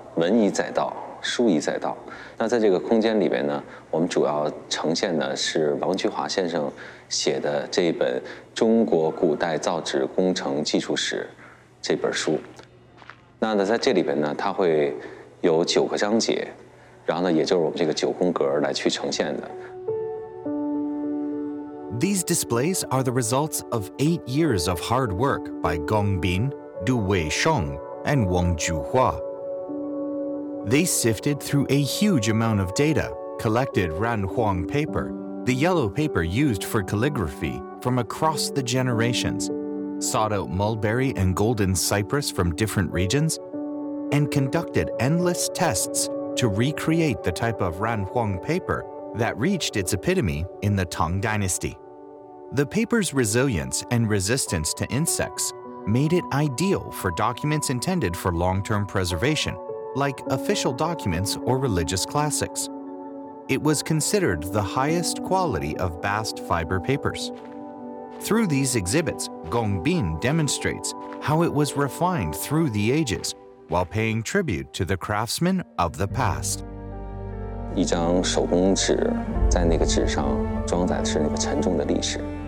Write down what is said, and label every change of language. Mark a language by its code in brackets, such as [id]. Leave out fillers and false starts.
[zh] 文以载道，书以载道。那在这个空间里边呢，我们主要呈现的是王菊华先生写的这本《中国古代造纸工程技术史》这本书。那呢，在这里边呢，它会有九个章节，然后呢，也就是我们这个九宫格来去呈现的。 [en] These displays are the results of 8 years of hard work by Gong Bin, Du Wei Shong, and Wang Juhua. They sifted through a huge amount of data, collected Ran Huang paper, the yellow paper used for calligraphy, from across the generations. Sought out mulberry and golden cypress from different regions, and conducted endless tests to recreate the type of Ran Huang paper that reached its epitome in the Tang Dynasty. The paper's resilience and resistance to insects made it ideal for documents intended for long-term preservation, like official documents or religious classics. It was considered the highest quality of bast fiber papers. Through these exhibits, Gongbin demonstrates how it was refined through the ages while paying tribute to the craftsmen of the past. [zh] 一张手工纸在那个纸上装载的是那个沉重的历史。